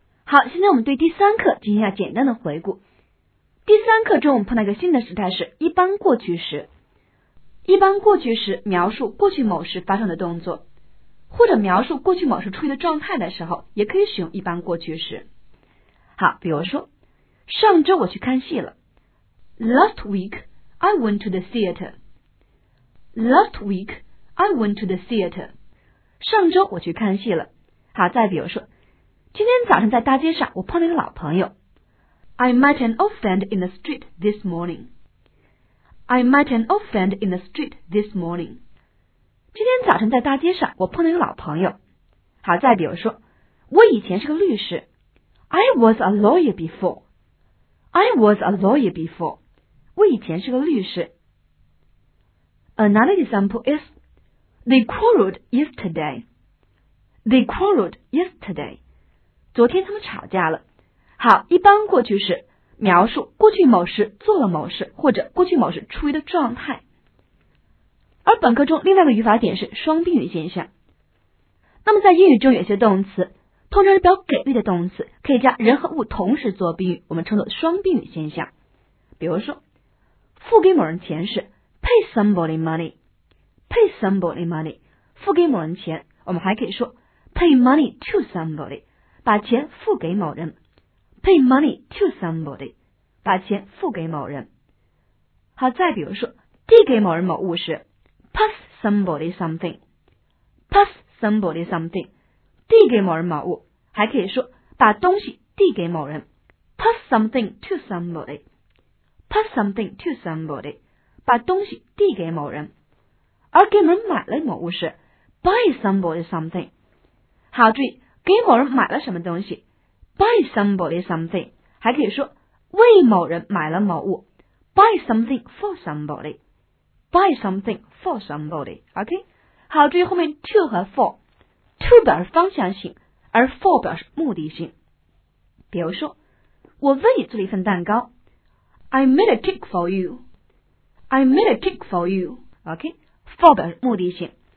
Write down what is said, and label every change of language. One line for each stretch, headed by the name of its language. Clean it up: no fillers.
Chinese: 好，现在我们对第三课进行一下简单的回顾。第三课中我们碰到一个新的时态，是一般过去时。一般过去时描述过去某时发生的动作，或者描述过去某时处于的状态的时候，也可以使用一般过去时。好，比如说，上周我去看戏了。
English: Last week I went to the theater. Last week I went to the theater.
Chinese: 上周我去看戏了。好，再比如说，今天早上在大街上我碰到一个老朋友。
English: I met an old friend in the street this morning. I met an old friend in the street this morning.
Chinese: 今天早上在大街上我碰到一个老朋友。好，再比如说，我以前是个律师。
English: I was a lawyer before. I was a lawyer before.
Chinese: 我以前是个律师。
English: Another example is, they quarreled yesterday. They quarreled yesterday.
Chinese: 昨天他们吵架了。好，一般过去时描述过去某事做了某事，或者过去某事处于的状态。而本课中另外一个语法点是双宾语现象。那么在英语中有些动词通常是表给予的动词，可以加人和物同时做宾语，我们称作双宾语现象。比如说，付给某人钱是
English: pay somebody money， pay somebody money，
Chinese: 付给某人钱。我们还可以说
English: pay money to somebody，
Chinese: 把钱付给某人。
English: pay money to somebody，
Chinese: 把钱付给某人。好，再比如说，递给某人某物是
English: pass somebody something， pass somebody something。
Chinese: 递给某人某物，还可以说把东西递给某人。
English: Pass something to somebody. Pass something to somebody.
Chinese: 把东西递给某人。而给某人买了某物是
English: buy somebody something.
Chinese: 好，注意，给某人买了什么东西 ？
English: Buy somebody something.
Chinese: 还可以说为某人买了某物。
English: Buy something for somebody. Buy something for somebody. OK.
Chinese: 好，注意后面 to 和 for。to 表示方向性，而 for 表示目的性。比如说，我为你做了一份蛋糕。
English: I made a cake for you. I made a cake for you. OK, for
Chinese: 表示目的性。